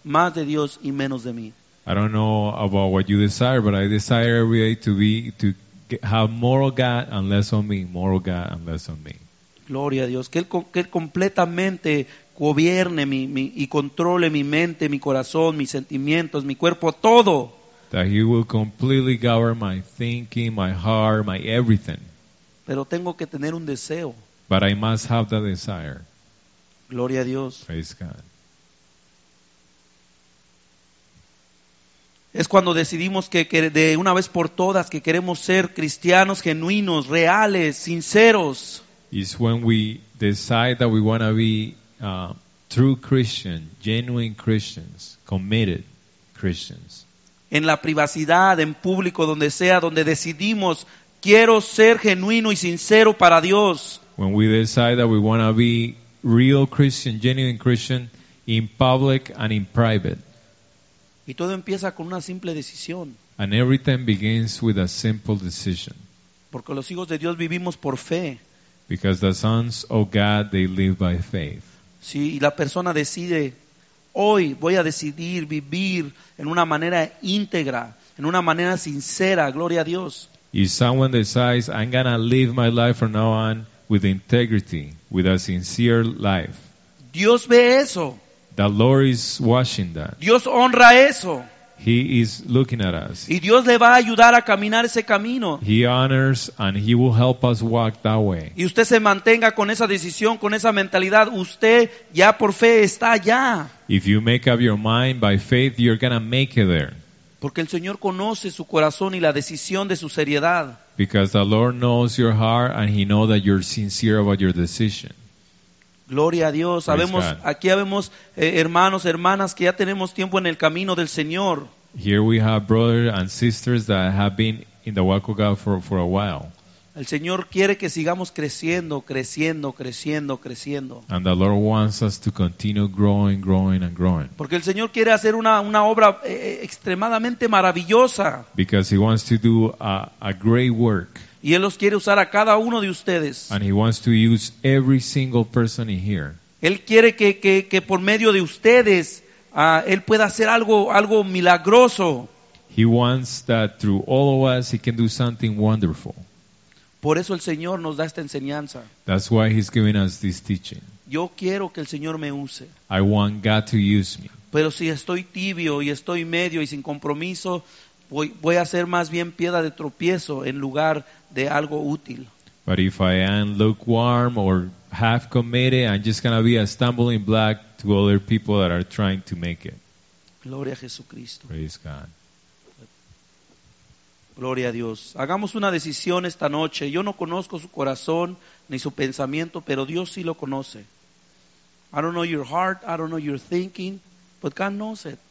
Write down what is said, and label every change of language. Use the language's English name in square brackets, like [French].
[Spanish] Más de Dios y menos de mí. [English] I don't know about what you desire, but I desire every day to have more of God and less of me. More of God and less of me. [Spanish] Gloria a Dios. Que él completamente gobierne mi y controle mi mente, mi corazón, mis sentimientos, mi cuerpo, todo. [English] That he will completely govern my thinking, my heart, my everything. [Spanish] Pero tengo que tener un deseo. [English] But I must have the desire. [Spanish] Gloria a Dios. [English] Praise God. [Spanish] Es cuando decidimos que de una vez por todas que queremos ser cristianos genuinos, reales, sinceros. [English] It's when we decide that we want to be true Christian, genuine Christians, committed Christians. [Spanish] En la privacidad, en público, donde sea, donde decidimos quiero ser genuino y sincero para Dios. [English] When we decide that we want to be real Christian, genuine Christian, in public and in private. [Spanish] Y todo empieza con una simple decisión. [English] And everything begins with a simple decision. [Spanish] Porque los hijos de Dios vivimos por fe. [English] Because the sons of God, they live by faith. [Spanish] Sí, y la persona decide, hoy voy a decidir vivir en una manera íntegra, en una manera sincera, gloria a Dios. [English] If someone decides, I'm going to live my life from now on with integrity, with a sincere life. [Spanish] Dios ve eso. [English] The Lord is watching that. [Spanish] Dios honra eso. [English] He is looking at us. [Spanish] Y Dios le va a ayudar a caminar ese camino. [English] He honors and he will help us walk that way. [Spanish] Y usted se mantenga con esa decisión, con esa mentalidad, usted ya por fe está allá. [English] If you make up your mind by faith, you're going to make it there. [Spanish] Porque el Señor conoce su corazón y la decisión de su seriedad. [English] Because the Lord knows your heart and he knows that you're sincere about your decision. [Spanish] Gloria a Dios. Sabemos, aquí habemos hermanos, hermanas que ya tenemos tiempo en el camino del Señor. [English] Here we have brothers and sisters that have been in the walk of God for a while. [Spanish] El Señor quiere que sigamos creciendo, creciendo, creciendo, creciendo. [English] And the Lord wants us to continue growing, growing and growing. [Spanish] Porque el Señor quiere hacer una obra extremadamente maravillosa. [English] Because he wants to do a great work. [Spanish] Y Él los quiere usar a cada uno de ustedes. [English] And he wants to use every single person in here. [Spanish] Él quiere que por medio de ustedes Él pueda hacer algo milagroso. [English] He wants that through all of us he can do something wonderful. [Spanish] Por eso el Señor nos da esta enseñanza. [English] That's why he's giving us this teaching. [Spanish] Yo quiero que el Señor me use. [English] I want God to use me. [Spanish] Pero si estoy tibio y estoy medio y sin compromiso, voy a ser más bien piedra de tropiezo en lugar de algo útil. [English] But if I am lukewarm or half committed, I'm just going to be a stumbling block to other people that are trying to make it. [Spanish] Gloria a Jesucristo. [English] Praise God. [Spanish] Gloria a Dios. Hagamos una decisión esta noche. Yo no conozco su corazón ni su pensamiento, pero Dios sí lo conoce. [English] I don't know your heart, I don't know your thinking, but God knows it.